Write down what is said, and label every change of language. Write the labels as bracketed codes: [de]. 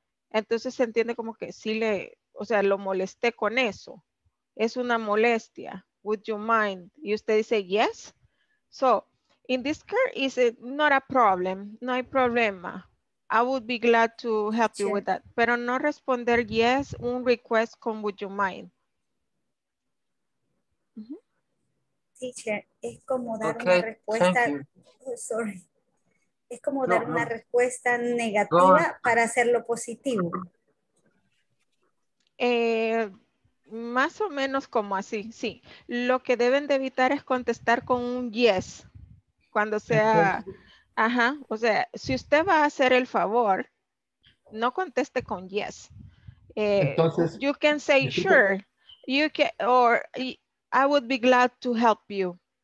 [es] Entonces se entiende como que sí le, o sea, lo molesté con eso. Es una molestia. [en] Would you mind? [es] Y usted dice yes. [en] So, in this case, is it not a problem? [es] No hay problema. [en] I would be glad to help you with that. [es] Pero no responder yes, un request con [en] would you mind. [es] Teacher, es como dar una respuesta, es como dar una respuesta negativa para hacerlo positivo. Más o menos como así, sí. Lo que deben de evitar es contestar con un yes. Cuando sea, ajá, o sea, si usted va a hacer el favor, no conteste con yes. Entonces, [en] you can say, sure, you can, or I would be glad to help you.